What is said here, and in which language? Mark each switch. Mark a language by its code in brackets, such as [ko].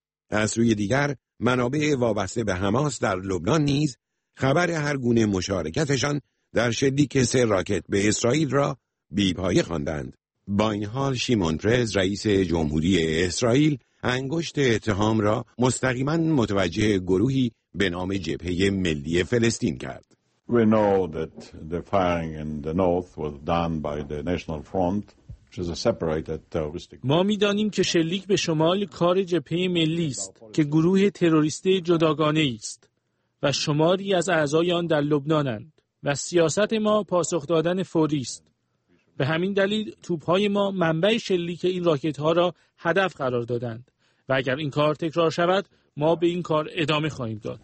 [fa] از سوی دیگر منابع وابسته به حماس در لبنان نیز خبر هر گونه مشارکتشان در شلیک 3 راکت به اسرائیل را بی‌پایه خواندند. با این حال شیمون پرز رئیس جمهوری اسرائیل انگشت اتهام را مستقیما متوجه گروهی به نام جبهه ملی فلسطین کرد. [en] We know that the firing in the north was done by the National Front, which is a separated terrorist group. [fa] ما می‌دانیم که شلیک به شمال کار جبهه ملی است که گروه تروریستی جداگانه است و شماری از اعضای آن در لبنانند و سیاست ما پاسخ دادن فوری است. به همین دلیل توپ‌های ما منبع شلیک این راکت‌ها را هدف قرار دادند و اگر این کار تکرار شود ما به این کار ادامه خواهیم داد.